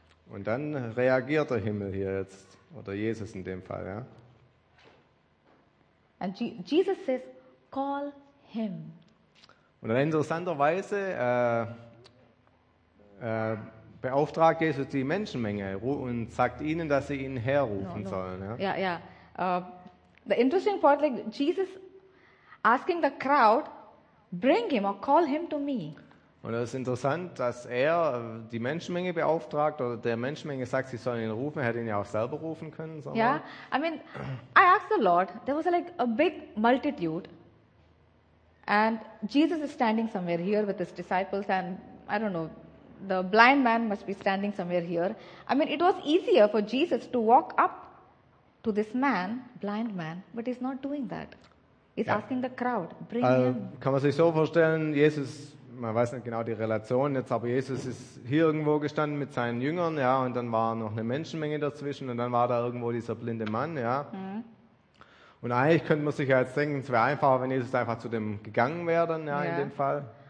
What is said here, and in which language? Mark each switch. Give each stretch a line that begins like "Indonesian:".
German: Und dann reagiert der Himmel hier jetzt, oder Jesus in dem Fall, ja.
English: And Jesus says, call him.
German: Und dann interessanterweise beauftragt Jesus die Menschenmenge und sagt ihnen, dass sie ihn herrufen sollen. Ja, yeah, yeah.
English: The interesting part, like Jesus asking the crowd, bring him or call him to me.
German: Und es ist interessant, dass er die Menschenmenge beauftragt oder der Menschenmenge sagt, sie sollen ihn rufen. Er hätte ihn ja auch selber rufen können.
English: Ja, yeah. I mean, I asked the Lord. There was like a big multitude, and Jesus is standing somewhere here with his disciples, and I don't know, the blind man must be standing somewhere here. I mean, it was easier for Jesus to walk up to this man, blind man, but he's not doing that. He's asking the crowd, bring him.
German: Kann man sich so vorstellen, Jesus. Man weiß nicht genau die Relation jetzt, aber Jesus ist hier irgendwo gestanden mit seinen Jüngern, ja, und dann war noch eine Menschenmenge dazwischen und dann war da irgendwo dieser blinde Mann, ja. Mhm. Und eigentlich könnte man sich ja jetzt denken, es wäre einfacher, wenn Jesus einfach zu dem gegangen wäre, dann, ja, in dem Fall.